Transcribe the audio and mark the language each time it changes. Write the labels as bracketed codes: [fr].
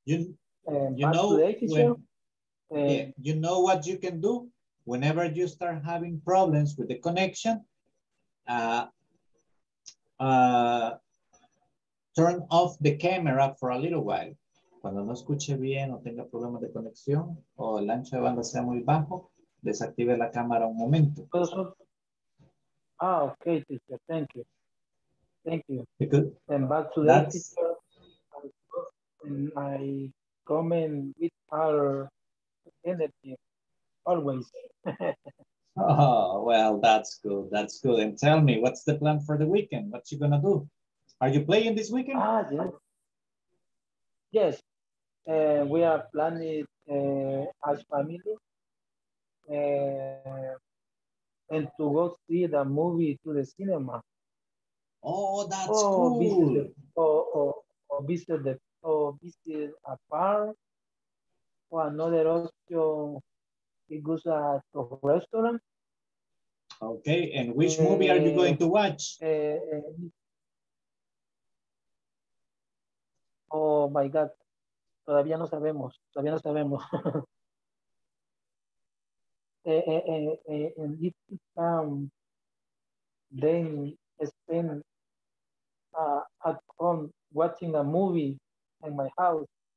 [en] you know what you can do whenever you start having problems with the connection, turn off the camera for a little while. [es] Cuando no escuche bien o tenga problemas de conexión o el ancho de banda sea muy bajo, desactive la cámara un momento. [en] Ah, okay, teacher. Thank you. Thank you. Because and back to the teacher, I come in with our energy always. Oh, well, that's good. That's good. And tell me, what's the plan for the weekend? What you gonna do? Are you playing this weekend? Ah, yes. Yes. We are planning as family. And to go see the movie to the cinema. Oh, that's visit a park or another option. It goes to a restaurant. Okay, and which movie are you going to watch? Oh my God, [es] todavía no sabemos, todavía no sabemos. [en] and if you come, then spend at home watching a movie in my house.